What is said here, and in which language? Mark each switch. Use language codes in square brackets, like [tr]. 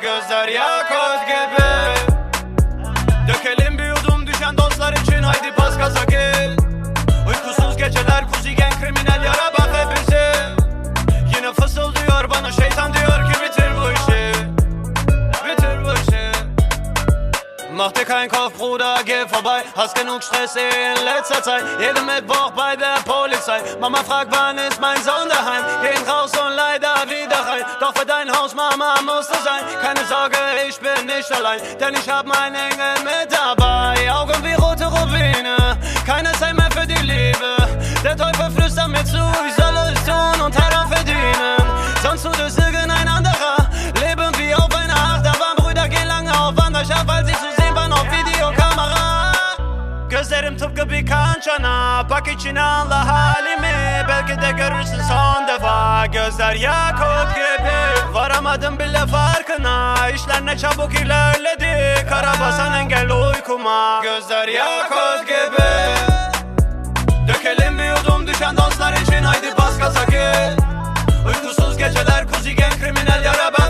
[tr] Gözler yakut gibi. Dökelim bir yudum düşen dostlar için, haydi bas gaza gel. Uykusuz geceler kuzigen kriminal yara bak hepsi. Yine fısıldıyor bana şeytan, diyor ki bitir bu işi. Bitir bu işi. [de] Mach dir keinen Kopf, Bruder, geh vorbei. Hast genug Stress in letzter Zeit. Jede Mittwoch bei der Polizei. Mama fragt, wann ist mein Sohn daheim? Gehen raus und leider wieder rein. Doch für dein Haus, Mama, musst du sein. Keine Sorge, ich bin nicht allein, denn ich hab meinen Engel mit dabei. Augen wie rote Rubine, keine Zeit mehr für die Liebe. Der Teufel flüstert mir zu, ich soll es tun und daran verdienen. Sonst tut es irgendein anderer. Leben wie auf einer Achterbahn. Brüder, geh lange auf Wanderschaft, weil sie zu sehen waren auf Videokamera. [tr] Gözlerim tıpkı bir kancana. Bak içine, anla halimi, belki de görürsün son defa. Gözler yakut gibi, varamadım bile farkına. İşler ne çabuk ilerledi, kara basan engel uykuma. Gözler yakut gibi. Dökelim bir yudum düşen dostlar için, haydi bas gaza gel. Uykusuz geceler kuzigen kriminal yara.